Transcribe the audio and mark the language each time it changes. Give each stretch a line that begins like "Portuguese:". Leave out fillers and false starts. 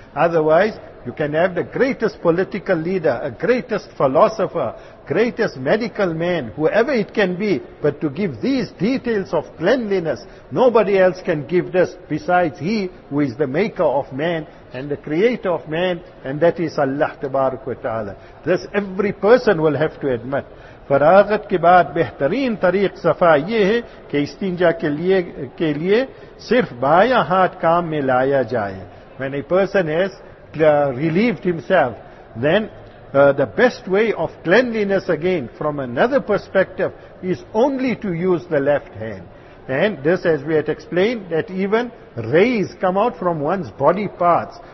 English: Otherwise, you can have the greatest political leader, a greatest philosopher, greatest medical man, whoever it can be, but to give these details of cleanliness, nobody else can give this besides he who is the maker of man and the creator of man, and that is Allah tabarak wa ta'ala. This every person will have to admit.
Urdu: فراغت کے بعد بہترین طریق صفا یہ ہے کہ استنجا کے لیے صرف بایاں ہاتھ کام میں لایا جائے.
English: When a person has relieved himself, then the best way of cleanliness again from another perspective is only to use the left hand. And this, as we had explained, that even rays come out from one's body parts.